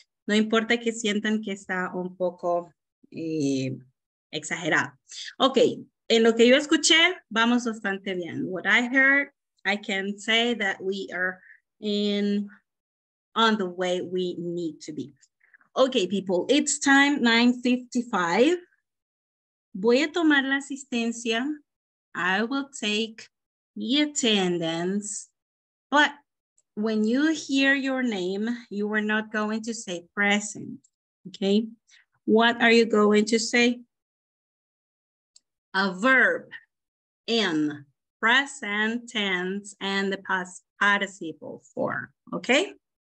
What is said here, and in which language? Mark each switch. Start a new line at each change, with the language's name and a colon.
Spanish: No importa que sientan que está un poco exagerado. Okay, en lo que yo escuché, vamos bastante bien.
English: What I heard, I can say that we are on the way we need to be. Okay, people, it's time 9:55.
Spanish: Voy a tomar la asistencia.
English: I will take the attendance, but when you hear your name, you are not going to say present, okay? What are you going to say? A verb in present tense and the past participle form, okay?